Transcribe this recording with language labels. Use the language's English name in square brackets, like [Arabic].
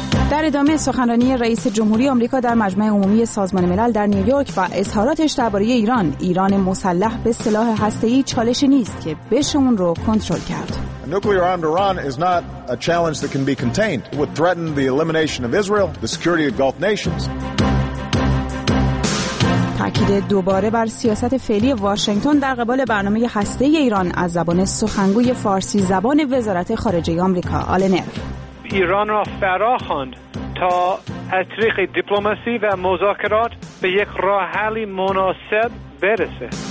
[Persian] در ادامه سخنرانی رئیس جمهوری آمریکا در مجمع عمومی سازمان ملل در نیویورک و اظهاراتش درباره ایران، ایران مسلح به سلاح هسته‌ای چالشی نیست که بشه اون رو کنترل کرد. [English] Nuclear armed Iran is not a challenge that can be contained. It would threaten the elimination of Israel, the security of Gulf nations. [Persian] تاکید دوباره بر سیاست فعلی واشنگتن در قبال برنامه هسته‌ای ایران از زبان سخنگوی فارسی زبان وزارت خارجه آمریکا آلنر. ایران را فراخواند تا از طریق دیپلماسی و مذاکرات به یک راه حل مناسب برسه.